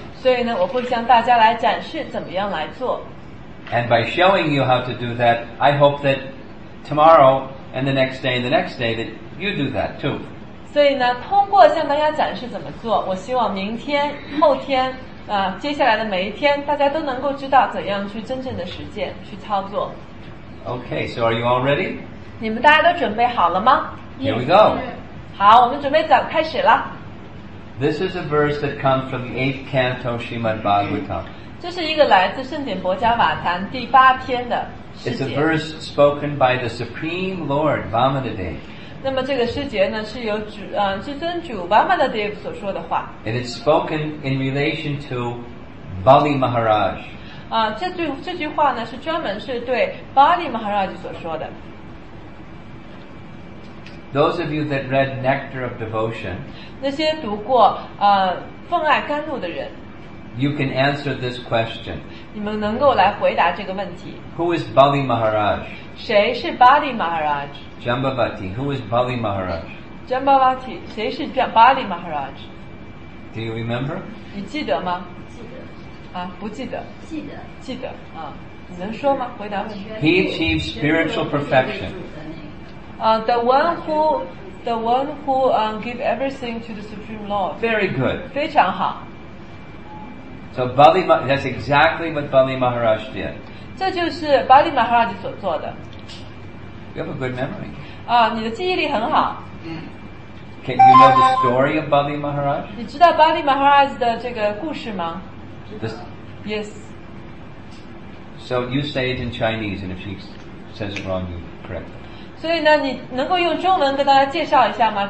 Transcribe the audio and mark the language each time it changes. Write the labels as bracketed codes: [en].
[zh] 所以呢，我会向大家来展示怎么样来做。 [en] And by showing you how to do that, I hope that tomorrow and the next day and the next day that you do that too. [zh] 所以呢，通过向大家展示怎么做，我希望明天、后天。接下来的每一天大家都能够知道怎样去真正的实践去操作。 [en] Okay, so are you all ready? [zh] 你们大家都准备好了吗？ [en] Here we go. [zh] 好，我们准备走开始了。 [en] This is a verse that comes from the 8th canto Srimad Bhagavatam. [zh] 这是一个来自圣典薄伽瓦坛第八篇的诗节。 [en] It's a verse spoken by the Supreme Lord, Vamanadeva. [zh] 那么这个诗节呢是由至尊主 Vamanadeva 所说的话。 [en] It is spoken in relation to Bali Maharaj. [zh] 这句话呢是专门是对 Bali Maharaj 所说的。 [en] Those of you that read Nectar of Devotion, [zh] 那些读过奉爱甘露的人， [en] You can answer this question. [zh] 你们能够来回答这个问题。 [en] Who is Bali Maharaj? [zh] 谁是 Bali Maharaj? [en] Jambavati, who is Bali Maharaj? [zh] Jambavati, 谁是 Bali Maharaj? [en] Do you remember? [zh] 你记得吗？记得。啊，不记得。记得。记得。啊，你能说吗？回答问题。 [en] He achieved spiritual perfection. The one who give everything to the Supreme Lord. Very good. [zh] 非常好。 [en] So Bali, that's exactly what Bali Maharaj did. [zh] 这就是 Bali Maharaj 所做的。 [en] You have a good memory. [zh] 你的记忆力很好。 [en] Can you know the story of Bali Maharaj? [zh] 你知道 Bali Maharaj 的这个故事吗？ [en] Yes. So you say it in Chinese, and if she says it wrong, you correct it. [zh] 所以呢，你能够用中文跟大家介绍一下吗？